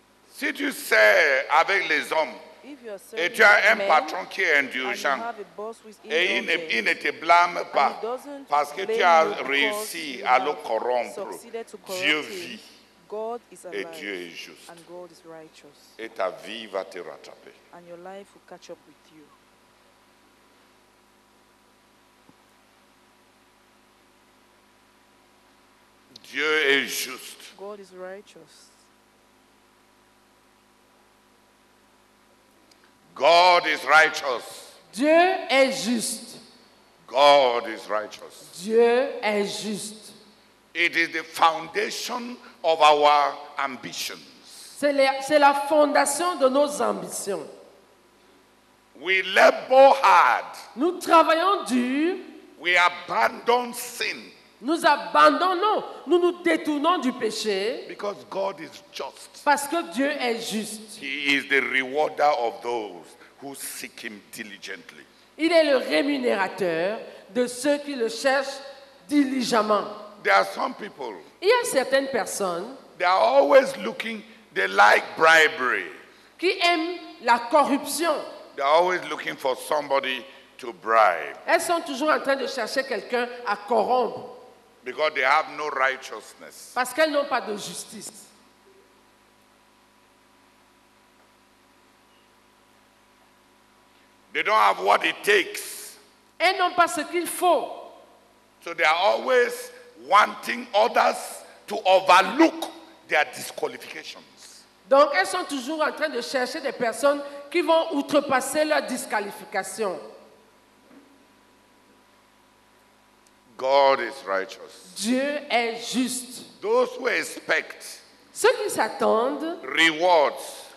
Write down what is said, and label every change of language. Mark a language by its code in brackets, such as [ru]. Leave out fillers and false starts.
[fr] Si tu sais avec les hommes, et tu as un [en] men, [fr] patron qui est indulgent et il ne te blâme pas parce que tu as réussi à le corrompre, Dieu vit [en] God is alive, [fr] et Dieu est juste [en] and God is righteous, [fr] et ta vie va te rattraper. [en] And your life will catch up with you. [fr] Dieu est juste. [en] God is righteous. God is righteous. [fr] Dieu est juste. [en] God is righteous. [fr] Dieu est juste. [en] It is the foundation of our ambitions. [fr] C'est la fondation de nos ambitions. [en] We labor hard. [fr] Nous travaillons dur. [en] We abandon sin. [fr] Nous abandonnons, nous nous détournons du péché. [en] Because God is just. [fr] Parce que Dieu est juste. [en] He is the rewarder of those who seek him diligently. [fr] Il est le rémunérateur de ceux qui le cherchent diligemment. [en] There are some people. [fr] Il y a certaines personnes. [en] They are always looking. They like bribery. [fr] Qui aime la corruption? [en] They are always looking for somebody to bribe. [fr] Elles sont toujours en train de chercher quelqu'un à corrompre. [en] Because they have no righteousness. [fr] Parce qu'elles n'ont pas de justice. [en] They don't have what it takes. [fr] Elles n'ont pas ce qu'il faut. [en] So they are always wanting others to overlook their disqualifications. [fr] Donc, elles sont toujours en train de chercher des personnes qui vont outrepasser leur disqualification. [en] God is righteous. [fr] Dieu est juste. [en] Those who expect [fr] ceux qui s'attendent [en] rewards